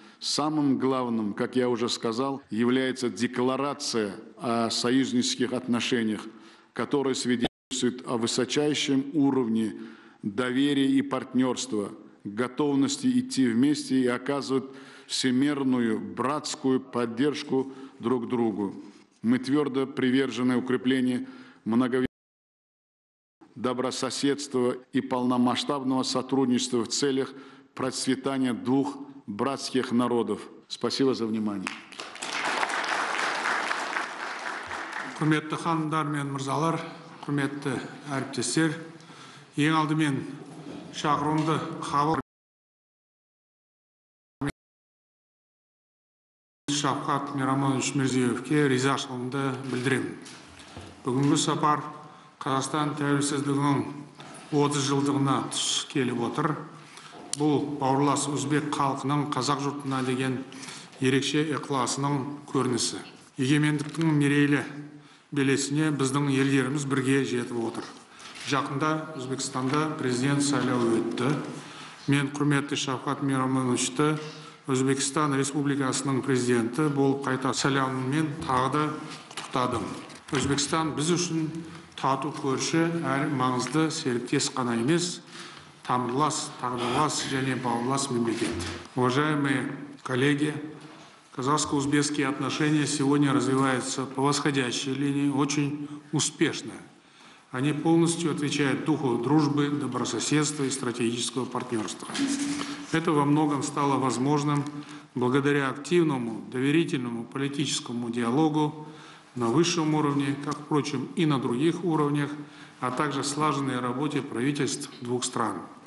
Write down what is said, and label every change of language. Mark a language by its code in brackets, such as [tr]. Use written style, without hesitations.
[ru] Самым главным, как я уже сказал, является декларация о союзнических отношениях, которая свидетельствует о высочайшем уровне доверия и партнерства, готовности идти вместе и оказывать всемерную братскую поддержку друг другу. Мы твердо привержены укреплению добрососедства и полномасштабного сотрудничества в целях процветания двух братских народов. Спасибо за внимание. [kk] Құрметті хандар мен мырзалар, құрметті әріптестер, ең алдымен шақырымды Шавкат Мирамонович Мирзиевке ризашылымды білдіремін. Бүгінгі сапар Қазақстан тәуелсіздігінің 30 жылдығына тұс келіп отыр. Бұл бауырлас өзбек халқының қазақ жұртына деген ерекше ықыласының көрінісі. Егемендіктің мерейлі белесіне біздің елдеріміз бірге жетіп отыр. Жақында Өзбекстанда президент сайлауы өтті. Мен құрметті Шавкат Миромановичті Өзбекстан Республикасының президенті болып қайта сайлануымен тағы да құттықтадым. Өзбекстан біз үшін тату көрші, әрі маңызды серіктес қана емес, тамырлас, тағдырлас және бауырлас мемлекет. [ru] Уважаемые коллеги, казахско-узбекские отношения сегодня развиваются по восходящей линии очень успешно. Они полностью отвечают духу дружбы, добрососедства и стратегического партнерства. Это во многом стало возможным благодаря активному, доверительному политическому диалогу на высшем уровне, как, впрочем, и на других уровнях, а также слаженной работе правительств двух стран.